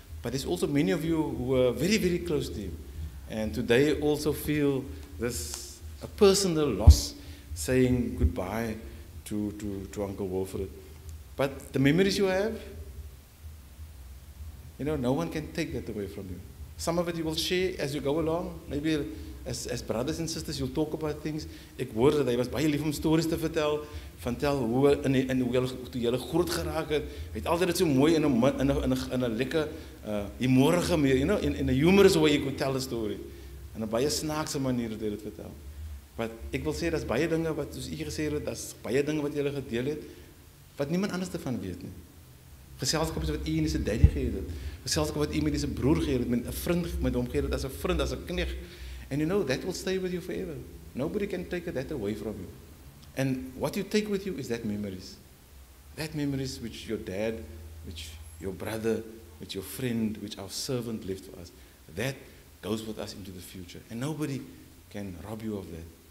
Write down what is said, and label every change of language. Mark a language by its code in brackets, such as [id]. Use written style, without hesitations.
[en] But there's also many of you who were very, very close to him. And today also feel this a personal loss saying goodbye to Uncle Wilfred. But the memories you have, you know, no one can take that away from you. Some of it you will share as you go along. Maybe as brothers and sisters you'll talk about things. [af] Ek hoor dat hy was baie lief om stories te vertel, van tel hoe in hoe jy groot geraak het. Hy het altyd so mooi in 'n lekker humorige manier, [en] you know, in a humorous way you could tell a story. [af] In 'n baie snaakse manier het hy dit vertel. Wat ek wil sê, daar's baie dinge wat soos u gesê het, daar's baie dinge wat jy gele gedeel het wat niemand anders van weet nie. Geselskap wat u en sy daddy gehad het. Geselskap wat u met sy broer gehad het, met 'n vriend met hom gehad het as 'n vriend, as 'n knegt. [en] And you know, that will stay with you forever. Nobody can take that away from you. And what you take with you is that memories. That memories which your dad, which your brother, which your friend, which our servant left for us. That goes with us into the future. And nobody can rob you of that.